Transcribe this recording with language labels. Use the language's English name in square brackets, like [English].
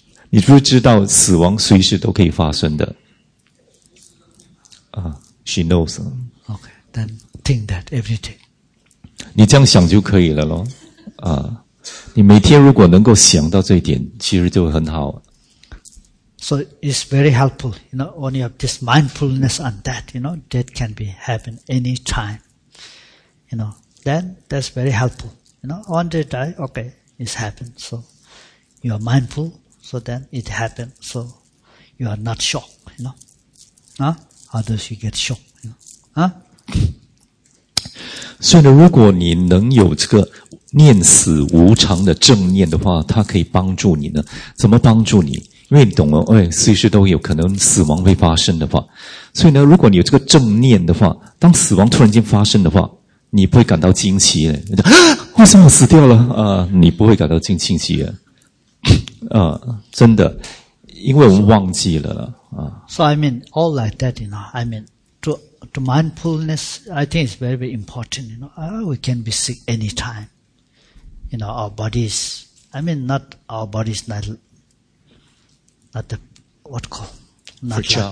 [Chinese] 你知不知道死亡随时都可以发生的？ [English] 啊。She knows. Okay, then think that every day. [Chinese] 你这样想就可以了咯。啊，你每天如果能够想到这一点，其实就很好。 [English] So it's very helpful, you know, when you have this mindfulness on that, you know, that can be happen any time. You know, then that's very helpful. You know, one day die, okay, it's happened. So you are mindful, so then it happened. So you are not shocked, you know. Huh? Others you get shocked, you know? Huh? [Chinese] 所以呢，如果你能有这个念死无常的正念的话，它可以帮助你呢。怎么帮助你？因为你懂了，哎，随时都有可能死亡会发生的话，所以呢，如果你有这个正念的话，当死亡突然间发生的话，你不会感到惊奇的。为什么我死掉了啊？你不会感到惊奇的啊，真的，因为我们忘记了。 [English] So I mean, all like that, you know, I mean, to mindfulness, I think it's very, very important, you know, we can be sick anytime, you know, our bodies, I mean, not our bodies, not the, what call, not fragile.